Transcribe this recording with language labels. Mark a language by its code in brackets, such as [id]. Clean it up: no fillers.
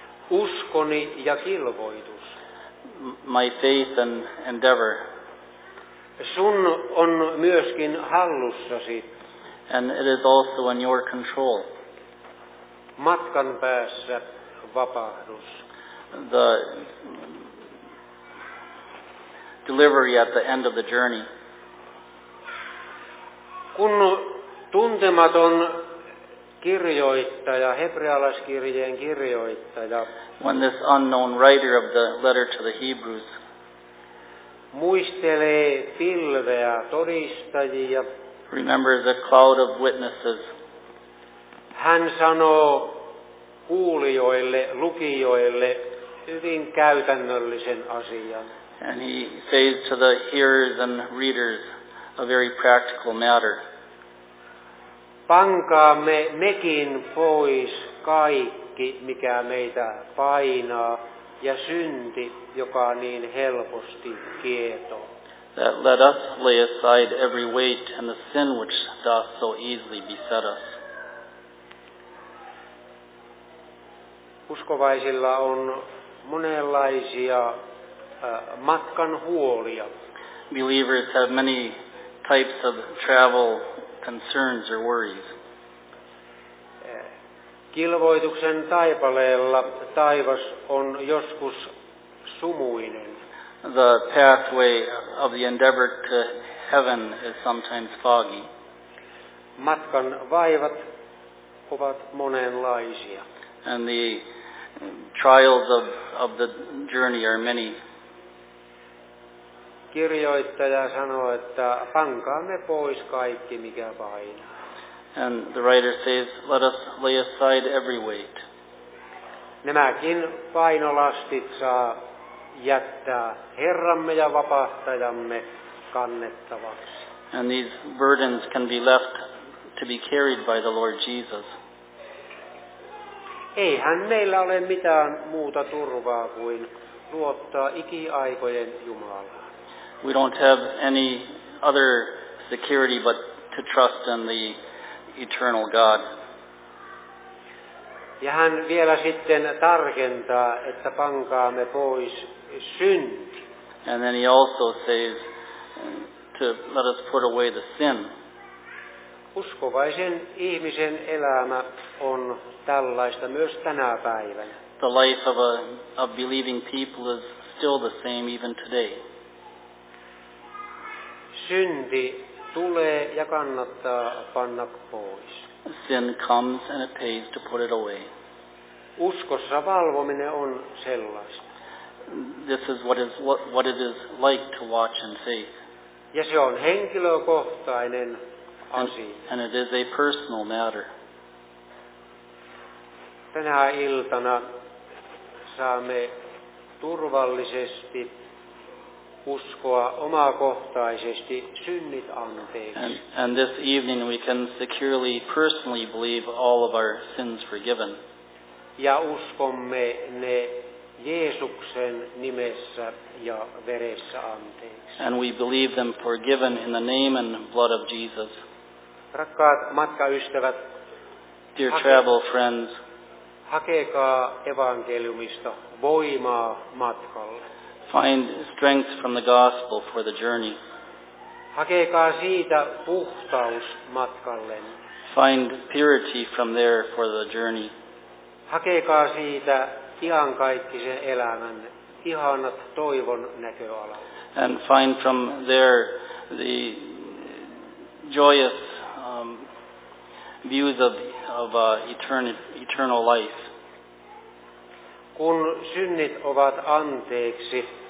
[fi] Uskoni ja kilvoitus. [en] My faith and endeavor. [fi] Sun on myöskin hallussasi. [en] And it is also in your control. [fi] Matkan päässä vapahdus. [en] The delivery at the end of the journey. [fi] Kun tuntematon kirjoittaja, hebrealaiskirjeen kirjoittaja, [en] when this unknown writer of the letter to the Hebrews [fi] muistelee pilveä todistajia, [en] remembers a cloud of witnesses, [fi] hän sanoo kuulijoille, lukijoille hyvin käytännöllisen asian. [en] And he says to the hearers and readers a very practical matter. [fi] Pankaamme mekin pois kaikki, mikä meitä painaa, ja synti, joka niin helposti kietoo. [en] That let us lay aside every weight and the sin which doth so easily beset us. [fi] Uskovaisilla on monenlaisia matkan huolia. [en] Believers have many types of travel concerns or worries. [fi] Kilvoituksen taipaleella taivas on joskus sumuinen. [en] The pathway of the endeavor to heaven is sometimes foggy. [fi] Matkan vaivat ovat monenlaisia. [en] And the trials of the journey are many. [fi] Kirjoittaja sanoo, että pankaamme pois kaikki, mikä painaa. [en] And the writer says, let us lay aside every weight. [fi] Nämäkin painolastit saa jättää Herramme ja vapahtajamme kannettavaksi. [en] And these burdens can be left to be carried by the Lord Jesus. [fi] Eihän meillä ole mitään muuta turvaa kuin luottaa ikiaikojen Jumalaan. [en] We don't have any other security but to trust in the eternal God. [fi] Ja hän vielä sitten tarkentaa, että pankaamme pois synti. [en] And then he also says to let us put away the sin. [fi] Uskovaisen ihmisen elämä on tällaista myös tänä päivänä. [en] The life of a believing people is still the same even today. [fi] Synti tulee ja kannattaa panna pois. [en] Sin comes and it pays to put it away. [fi] Uskossa valvominen on sellaista. [en] This is what it is like to watch in faith. [fi] Ja se on henkilökohtainen asia. [en] And it is a personal matter. [fi] Tänä iltana saamme turvallisesti uskoa omakohtaisesti synnit anteeksi. [en] And this evening we can securely personally believe all of our sins forgiven. [fi] Ja uskomme ne Jeesuksen nimessä ja veressä anteeksi. [en] And we believe them forgiven in the name and blood of Jesus. [fi] Rakkaat matkaystävät, [en] dear travel friends, [fi] hakekaa evankeliumista voimaa matkalle. [en] Find strength from the gospel for the journey. [fi] Hakekaa siitä puhtaus matkalle. [en] Find purity from there for the journey. [fi] Hakekaa siitä iankaikkisen elämän ihanat toivon näköalat. [en] And find from there the joyous views of eternal life. [fi] kun synnit ovat anteeksi,